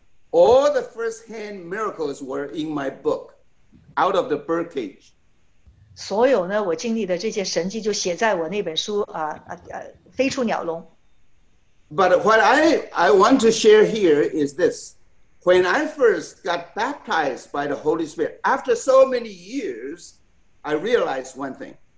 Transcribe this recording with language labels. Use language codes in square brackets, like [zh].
[en] All the first-hand miracles were in my book, Out of the Birdcage. [zh] 所有呢,我经历的这些神迹就写在我那本书, 飞出鸟笼。 [en] But what I want to share here is this. When I first got baptized by the Holy Spirit, after so many years, I realized one thing.